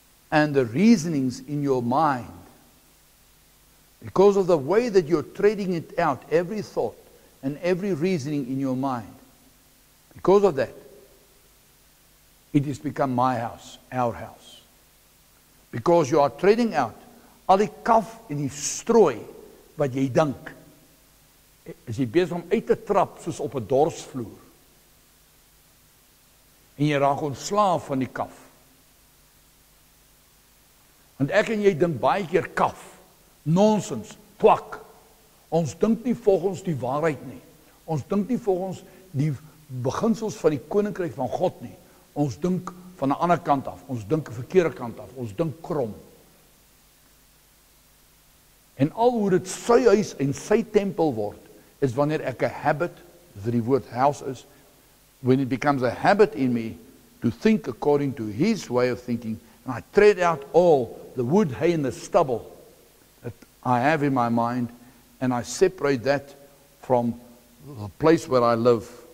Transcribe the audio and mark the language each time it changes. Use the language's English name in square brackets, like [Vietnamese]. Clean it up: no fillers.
[English] and the reasonings in your mind, because of the way that you're treading it out, every thought and every reasoning in your mind, because of that, it has become my house, our house. Because you are treading out [Afrikaans] al die kaf en die strooi wat jy dink, is jy besig om uit te trap soos op 'n dorsvloer. En jy raak ontslaaf van die kaf. Want ek en jy dink baie keer kaf, nonsens, kwak. Ons dink nie volgens die waarheid nie. Ons dink nie volgens die beginsels van die koninkryk van God nie. Ons dink van die ander kant af. Ons dink die verkeerde kant af. Ons dink krom. En al hoe dit sy huis en sy tempel word, is wanneer ek 'n habit, dat die woord house is, [English] when it becomes a habit in me to think according to his way of thinking, and I tread out all the wood, hay and the stubble that I have in my mind, and I separate that from the place where I live.